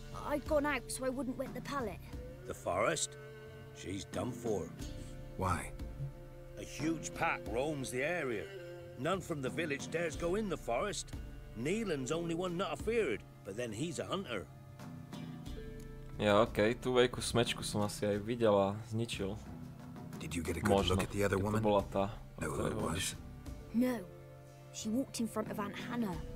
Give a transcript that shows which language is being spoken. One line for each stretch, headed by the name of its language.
English: I'd gone out so I wouldn't wet the pallet. The forest? She's done for. Why? A huge pack roams the area. None from the village dares go in the forest. Neelan's only one not afeared, but then he's a hunter.
Slovak: Ja, okej, tú veľkú smečku som asi aj videl a zničil.
English: Did you get a good look at the other woman? Know who it was? No. She walked in front of Aunt Hannah.